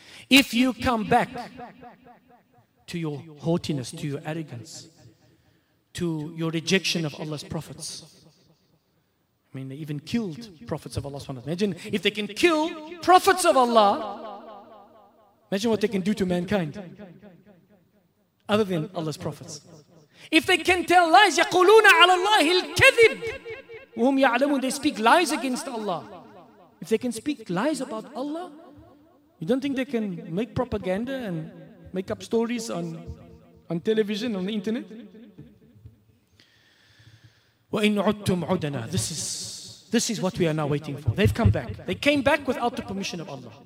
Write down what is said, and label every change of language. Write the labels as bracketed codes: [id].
[en] If you come back to your haughtiness, to your arrogance, to your rejection of Allah's prophets, I mean, they even killed prophets of Allah. Imagine if they can kill prophets of Allah. Imagine what they can do to mankind. Other than Allah's prophets. If they can tell lies, [ar] يَقُولُونَ عَلَى اللَّهِ الْكَذِبِ وَهُمْ يَعْلَمُونَ. [en] They speak lies against Allah. If they can speak lies about Allah, you don't think they can make propaganda and make up stories on television, on the internet? [ar] وَإِنْ عُدْتُمْ عُدَنَا. [en] This is what we are now waiting for. They've come back. They came back without the permission of Allah.